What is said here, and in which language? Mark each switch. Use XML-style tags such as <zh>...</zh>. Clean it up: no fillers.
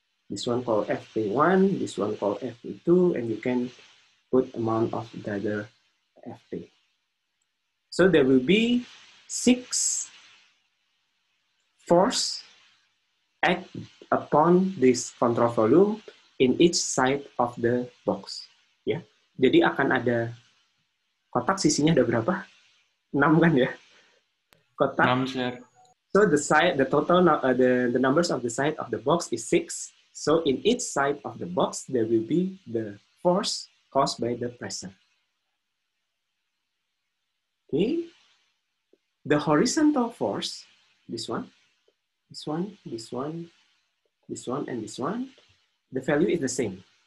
<en>This one called FP1, this one called FP2, and you can put amount of the other FP. So there will be six force act upon this control volume in each side of the box. Yeah.</en> <id>Jadi akan ada kotak sisinya ada berapa? 6 kan ya? Kotak. 6, sir.</id> <en>So the side, the total, the numbers of the side of the box is 6. So in each side of the box, there will be the force caused by the pressure. Okay. The horizontal force, this one, the value is the same.</en>